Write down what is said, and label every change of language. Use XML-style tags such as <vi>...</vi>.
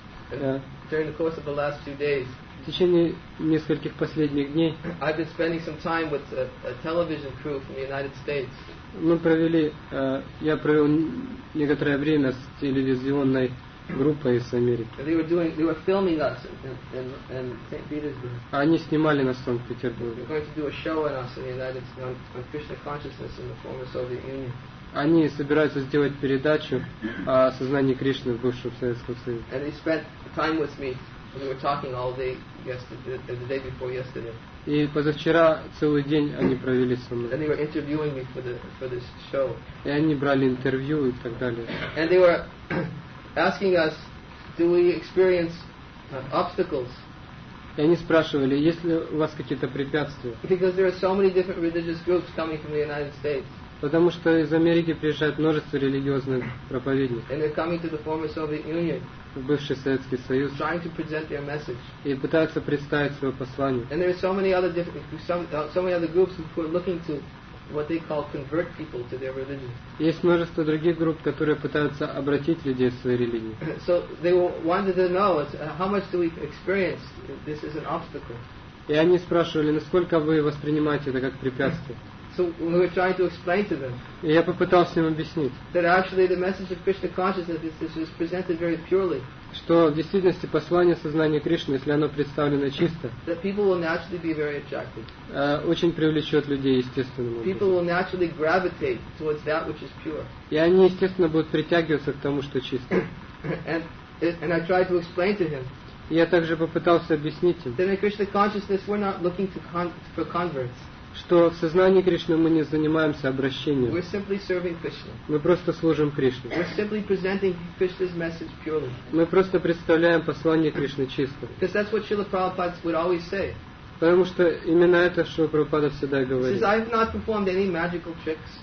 <en>During the course of the last few days,</en> <ru>в течение нескольких последних дней,</ru> <en>I've been spending some time with a television crew from the United States.</en> <ru>Мы провели, я провел некоторое время с телевизионной группой из Америки.</ru> <en>They were filming us in St. Petersburg.</en> <ru>Они снимали нас в Санкт-Петербурге.</ru> <en>They're going to do a show on us in the United States on Krishna consciousness in the former Soviet Union.</en> <ru>Они собираются сделать передачу о сознании Кришны в бывшем Советском Союзе.</ru> <en>And they spent time with me. We were talking all day yesterday, the day before yesterday.</en> <ru>И позавчера целый день они провели со мной.</ru> <en>And they were interviewing me for this show.</en> <ru>И они брали интервью и так далее.</ru> <en>And they were asking us, do we experience obstacles?</en> <ru>И они спрашивали, есть ли у вас какие-то препятствия?</ru> <en>Because there are so many different religious groups coming from the United States.</en> <ru>Потому что из Америки приезжает множество религиозных проповедников.</ru> <en>And they're coming to the former Soviet Union.</en> <ru>В бывший Советский Союз.</ru> <en>Trying to present their message.</en> <ru>И пытаются представить свое послание.</ru> <en>And there are so many other groups who are looking to what they call convert people to their religion.</en> <ru>Есть множество других групп, которые пытаются обратить людей в свою религию.</ru> <en>So they wanted to know how much do we experience this as an obstacle.</en> <ru>И они спрашивали, насколько вы воспринимаете это как препятствие.</ru> <en>So we were trying to explain to them.</en> <ru>И я попытался им объяснить.</ru> <en>That actually the message of Krishna consciousness is presented very purely.</en> <ru>Что в действительности послание сознания Кришны, если оно представлено чисто.</ru> <en>That people will naturally be very attracted.</en> <ru>Очень привлечет людей естественным образом.</ru> <en>People will naturally gravitate towards that which is pure.</en> <ru>И они естественно будут притягиваться к тому, что чисто.</ru> <en>And I tried to explain to him.</en> <ru>Я также попытался объяснить им.</ru> <en>That in Krishna consciousness we're not looking for converts.</en> <ru>что в сознании Кришны мы не занимаемся обращением.</ru> <en>We're simply serving Krishna.</en> <ru>Мы просто служим Кришне.</ru> <en>We're simply presenting Krishna's message purely.</en> <ru>Мы просто представляем послание Кришны чисто.</ru> <en>Because that's what Srila Prabhupada would always say.</en> <ru>Потому что именно это Шрила Прабхупада всегда говорит.</ru> <en>He says, I've not performed any magical tricks.</en>